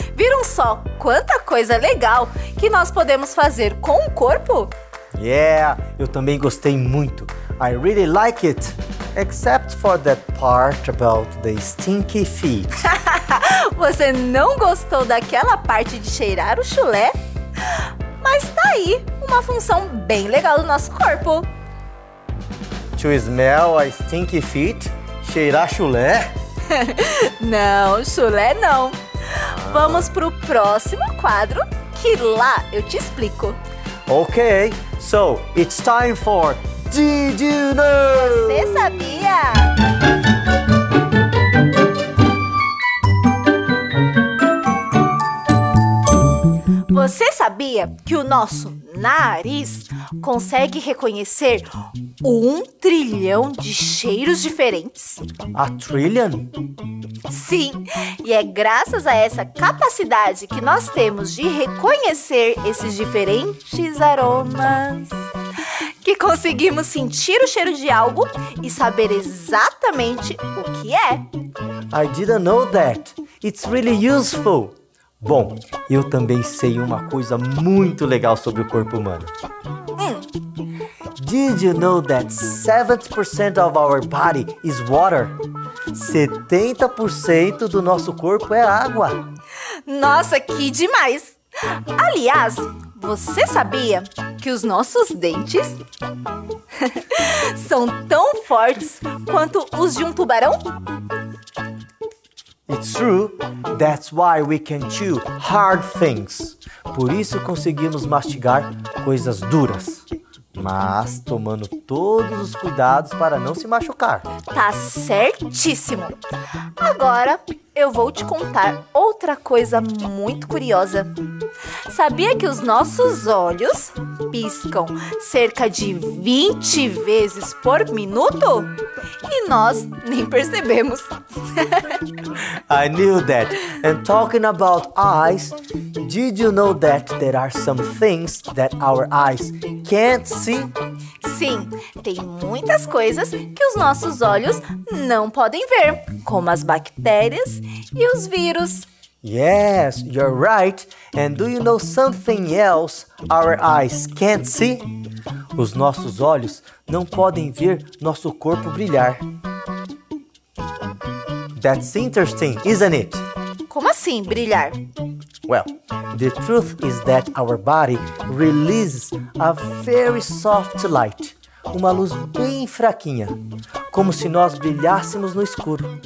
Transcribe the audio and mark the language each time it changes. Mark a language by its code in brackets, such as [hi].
[pt] Viram só quanta coisa legal que nós podemos fazer com o corpo? [en] Yeah, [pt] eu também gostei muito. [en] I really like it. Except for that part about the stinky feet. [pt] Você não gostou daquela parte de cheirar o chulé? Mas tá aí uma função bem legal do nosso corpo. [en] To smell a stinky feet? [pt] Cheirar chulé? Não, chulé não. Vamos pro próximo quadro que lá eu te explico. [en] Ok, so it's time for Did You Know? [pt] Você sabia? Você sabia que o nosso nariz consegue reconhecer 1 trilhão de cheiros diferentes? [en] A trillion? [pt] Sim, e é graças a essa capacidade que nós temos de reconhecer esses diferentes aromas que conseguimos sentir o cheiro de algo e saber exatamente o que é. [en] I didn't know that. It's really useful. [pt] Bom, eu também sei uma coisa muito legal sobre o corpo humano. [en] Did you know that 70% of our body is water? [pt] 70% do nosso corpo é água. Nossa, que demais! Aliás, você sabia que os nossos dentes são tão fortes quanto os de um tubarão? [en] It's true. That's why we can chew hard things. [pt] Por isso conseguimos mastigar coisas duras. Mas tomando todos os cuidados para não se machucar. Tá certíssimo. Agora eu vou te contar outra coisa muito curiosa. Sabia que os nossos olhos piscam cerca de 20 vezes por minuto? E nós nem percebemos. [en] I knew that. And talking about eyes, did you know that there are some things that our eyes can't see? [pt] Sim, tem muitas coisas que os nossos olhos não podem ver, como as bactérias e os vírus. [en] Yes, you're right. And do you know something else our eyes can't see? [pt] Os nossos olhos não podem ver nosso corpo brilhar. [en] That's interesting, isn't it? [pt] Como assim, brilhar? [en] Well, the truth is that our body releases a very soft light, [pt] uma luz bem fraquinha, como se nós brilhássemos no escuro.